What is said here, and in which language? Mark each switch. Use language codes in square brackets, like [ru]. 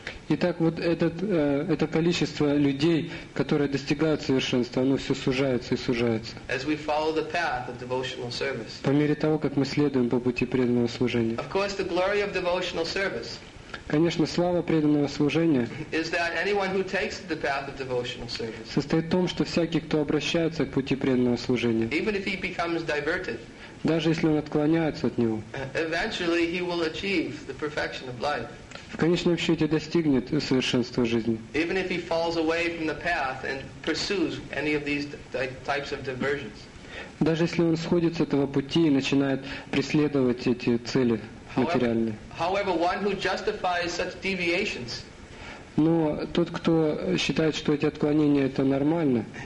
[ru] Итак, вот это количество людей, которые достигают совершенства, оно все сужается и сужается. [en] As we follow the path of devotional service. [ru] По мере того, как мы следуем по пути преданного служения. [en] Of course, the glory of devotional service. [ru] Конечно, слава преданного служения [en] is that anyone who takes the path of devotional service, [ru] состоит в том, что всякий, кто обращается к пути преданного служения, [en] even if he becomes diverted, [ru] даже если он отклоняется от него, [en] eventually he will achieve the perfection of life. [ru] В конечном счете достигнет совершенства жизни. [en] Even if he falls away from the path and pursues any of these types of diversions. [ru] Даже если он сходит с этого пути и начинает преследовать эти цели. [en] However, one who justifies such deviations, [ru] но тот, кто считает, что эти отклонения это нормально,